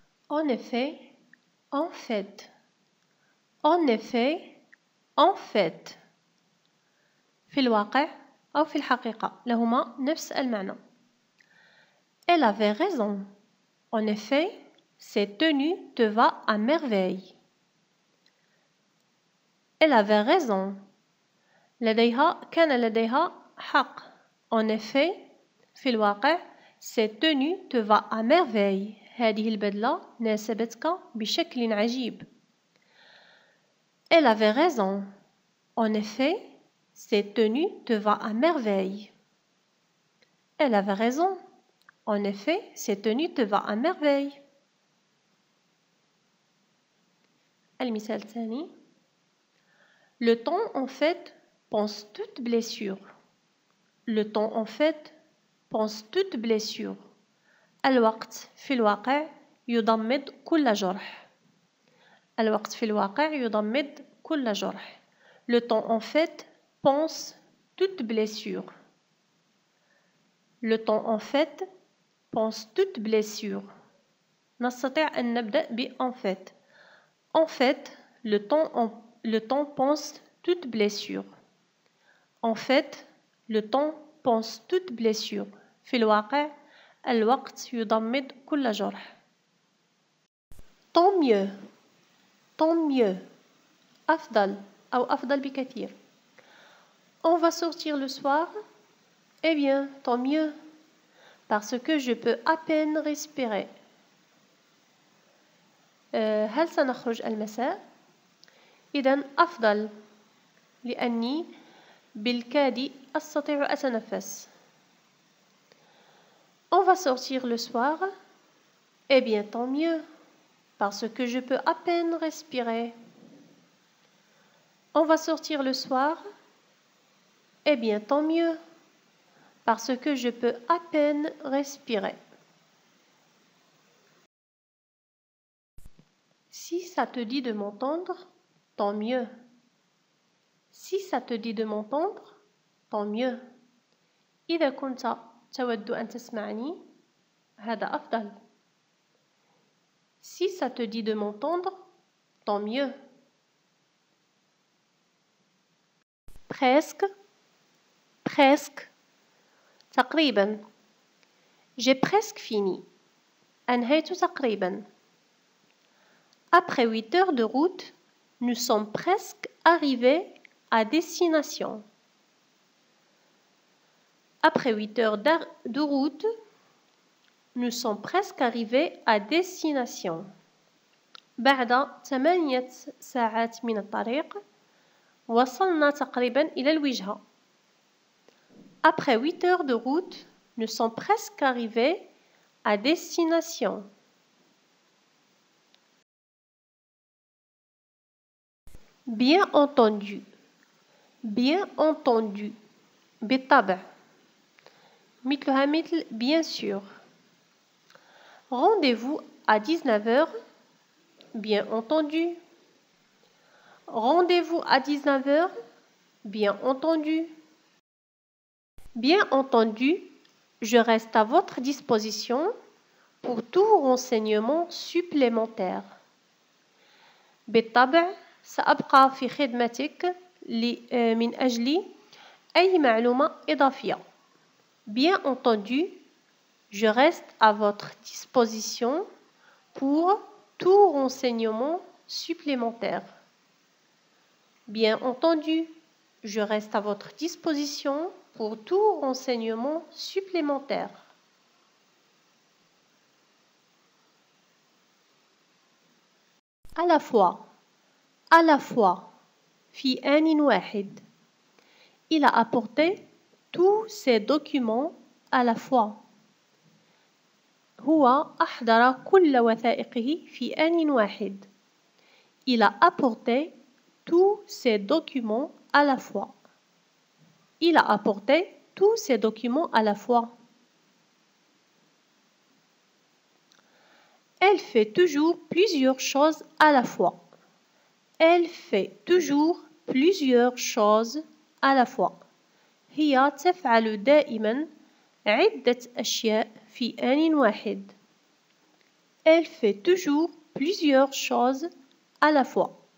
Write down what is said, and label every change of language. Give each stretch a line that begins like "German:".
French: En effet, en fait. En effet, en fait.
Arabic: في الواقع أو في الحقيقة لهما نفس المعنى.
French: Elle avait raison. En effet, cette tenue te va à merveille. Elle avait raison.
Arabic: لديها كان لديها حق.
French: En effet,
Arabic: في الواقع,
French: cette tenue te va à merveille.
Arabic: هذه البدلة ناسبتك بشكل عجيب.
French: Elle avait raison. En effet, cette tenue te va à merveille. Elle avait raison. En effet, cette tenue te va à merveille.
Arabic: المثال الثاني.
French: Le temps en fait pense toute blessure. Le temps en fait pense toute blessure.
Arabic: الوقت في الواقع يدمد كل جرح. الوقت في الواقع يدمد كل جرح.
French: Le temps en fait pense toute blessure. Le temps en fait pense toute blessure.
Arabic: نستطيع أن نبدأ ب
French: en fait. En fait, le temps pense toute blessure. En fait, le temps pense toute blessure.
Arabic: في الواقع الوقت يدمد كل جرح.
French: Tant mieux. Tant mieux.
Arabic: أفضل أو أفضل بكثير.
French: On va sortir le soir. Eh bien, tant mieux. Parce que je peux à peine respirer.
Arabic: هل سنخرج المساء؟ إذن أفضل لأني بالكاد أستطيع أتنفس.
French: On va sortir le soir. Eh bien, tant mieux. Parce que je peux à peine respirer. On va sortir le soir. Eh bien, tant mieux. Parce que je peux à peine respirer. Si ça te dit de m'entendre, tant mieux. Si ça te dit de m'entendre, tant mieux.
Arabic: إذا كنت تود أن تسمعني، هذا أفضل.
French: Si ça te dit de m'entendre, tant mieux. Presque, presque.
Arabic: تقريبا.
French: J'ai presque fini.
Arabic: أنهيت تقريبا.
French: Après 8 heures de route, nous sommes presque arrivés à destination. Après 8 heures de route, nous sommes presque arrivés à destination.
Arabic: بعد 8 ساعات من الطريق وصلنا تقريبا إلى الوجهة.
French: Après 8 heures de route, nous sommes presque arrivés à destination. Bien entendu. Bien entendu.
Arabic: بالطبع. مثلها مثل
French: bien sûr. Rendez-vous à 19h. Bien entendu. Rendez-vous à 19h. Bien entendu. Bien entendu, je reste à votre disposition pour tout renseignement supplémentaire.
Arabic: بالطبع سأبقى في خدمتك من أجل أي معلومة إضافية.
French: Bien entendu, je reste à votre disposition pour tout renseignement supplémentaire. Bien entendu, je reste à votre disposition pour tout renseignement supplémentaire. À la fois,
Arabic: fi anin wahid.
French: Il a apporté tous ses documents à la fois.
Arabic: Huwa ahdara kull wathaiqihi fi anin wahid.
French: Il a apporté tous ses documents à la fois. Il a apporté tous ses documents à la fois. Elle fait toujours plusieurs choses à la fois. Elle fait toujours plusieurs choses à la fois.
Arabic: هي تفعل دائما عدة أشياء في آن واحد.
French: Elle fait toujours plusieurs choses à la fois.